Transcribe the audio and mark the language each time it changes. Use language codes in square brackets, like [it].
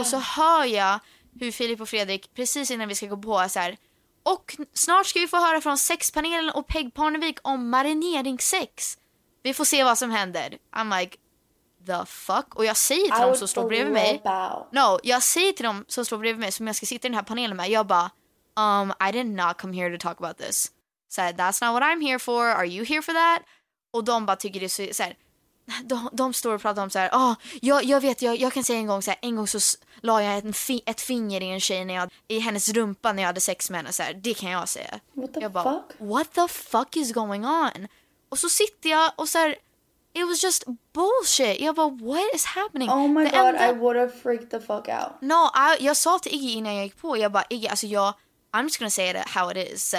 [sv] Och så hör jag hur Filip och Fredrik, precis innan vi ska gå på, så här, och snart ska vi få höra från sexpanelen och Peg Parnevik om marineringssex. Vi får se vad som händer. [en] I'm like, the fuck? [sv] Och jag säger till dem som står bredvid mig. No, jag säger till dem som står bredvid mig, som jag ska sitta i den här panelen med. Jag bara, [en] I did not come here to talk about this. [sv] Så här, [en] that's not what I'm here for. Are you here for that? [sv] Och de bara tycker det är så här, de står och pratar om så här, oh, jag vet, jag kan säga en gång så här, en gång så la jag ett finger i en tjej i hennes rumpa när jag hade sex med henne, så här, det kan jag säga. [en] What the fuck is going on? [sv] Och så sitter jag och så här, [en] it was just bullshit. [sv] Jag bara, [en] what is happening? Oh my god, enda, I would have freaked the fuck out. [sv] No, jag sa till Iggy innan jag gick på, jag bara, Iggy, alltså jag, [en] I'm just gonna say it how it is.